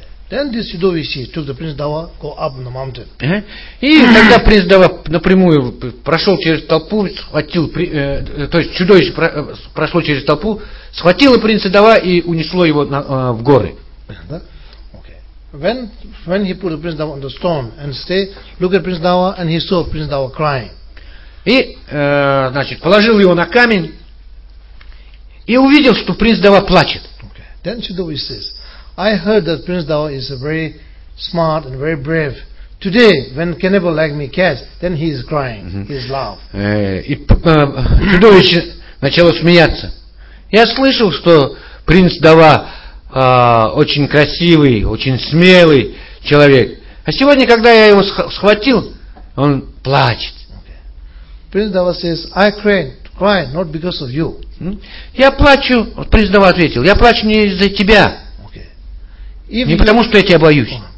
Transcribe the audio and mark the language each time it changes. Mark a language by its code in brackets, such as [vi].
[en] Then this чудовище took the prince Dawa, go up on the mountain. [ru] И тогда принц Дава напрямую прошел через толпу, схватил, то есть чудовище прошло через толпу, схватило принца Дава и унесло его в горы. [en] Okay. When he put the prince Dava on the stone and stay, look at prince Dava and he saw prince Dava crying. [ru] И значит, положил его на камень и увидел, что принц Дава плачет. [en] Okay. Then чудовище says, I heard that Prince Dawa is a very smart and very brave. Today, when cannibal like me catch, then he is crying, he is laugh. [ru] И чудовище начало смеяться. Я слышал, что принц Дава очень красивый, очень смелый человек. А сегодня, когда я его схватил, он плачет. [en] Prince Dawa says, I cry not because of you. [ru] Я плачу, принц Дава ответил, я плачу не из-за тебя. [en] If [ru] не потому, что я тебя боюсь.